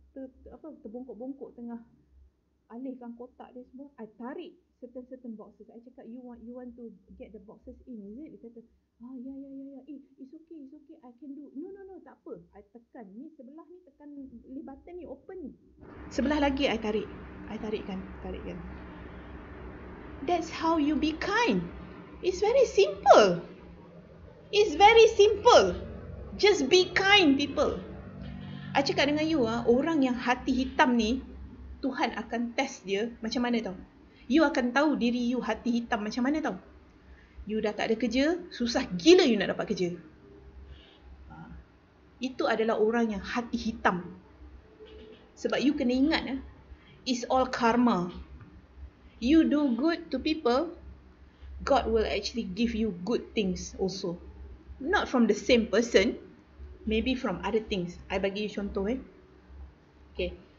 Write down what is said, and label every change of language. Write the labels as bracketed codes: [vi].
[ms] apa terbongkok-bongkok tengah alihkan kotak dia semua. [en] I tarik certain boxes. I cakap, you want to get the boxes in, is it? [ms] Dia kata, [en] yeah. It's okay. I can do. No, [ms] tak apa. I tekan ni sebelah ni, tekan lift button ni, open ni. Sebelah lagi I tarikkan. [en] That's how you be kind. It's very simple. Just be kind, people. [ms] I cakap dengan you, orang yang hati hitam ni, Tuhan akan test dia macam mana tau. You akan tahu diri you hati hitam macam mana tau. You dah tak ada kerja, susah gila you nak dapat kerja. Itu adalah orang yang hati hitam. Sebab you kena ingat, [en] it's all karma. You do good to people, God will actually give you good things also. Not from the same person, maybe from other things. [ms] I bagi you contoh. [en] Okay.